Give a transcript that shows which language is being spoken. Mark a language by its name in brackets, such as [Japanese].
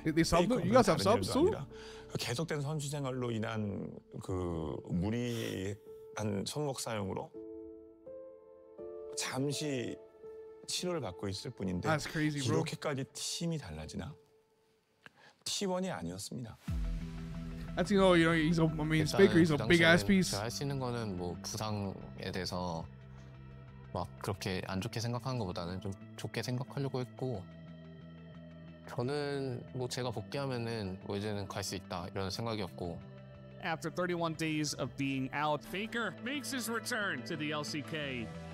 [English] They subbed? You guys have subs too? [Korean] 계속된 선수 생활로 인한 그 무리한 손목 사용으로 잠시 치료를 받고 있을 뿐인데 [English] That's crazy, bro. [Korean] 이렇게까지 팀이 달라지나? T1이 아니었습니다. [English] That's you know he's a I mean Faker he's a big ass piece. [Korean] 할 수 있는 거는 뭐 부상에 대해서 막 그렇게 안 좋게 생각하는 것보다는 좀 좋게 생각하려고 했고 저는 뭐 제가 복귀하면은 월드는 갈 수 있다 이런 생각이었고. [English] After 31 days of being out, Faker makes his return to the LCK.